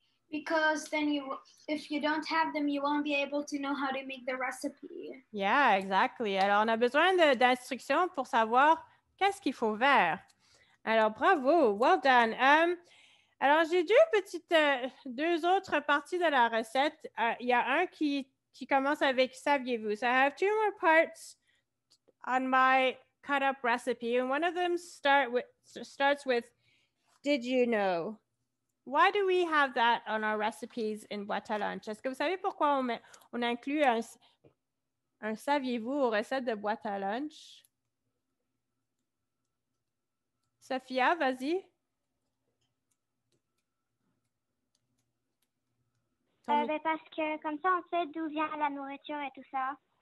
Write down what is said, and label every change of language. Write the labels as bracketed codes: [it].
[en] Because then if you don't have them, you won't be able to know how to make the recipe. Yeah, exactly. [fr] Alors, on a besoin d'instructions pour savoir qu'est-ce qu'il faut faire. Alors, bravo. [en] Well done. [fr] Alors, j'ai deux autres parties de la recette. Il y a un qui commence avec « saviez-vous ». [en] So, I have two more parts on my cut-up recipe. And one of them starts with « did you know ». Why do we have that on our recipes in boîte à lunch? [fr] Est-ce que vous savez pourquoi on inclut un « saviez-vous » aux recettes de boîte à lunch? Sophia, vas-y. Parce que comme ça, on sait d'où vient la nourriture et tout ça.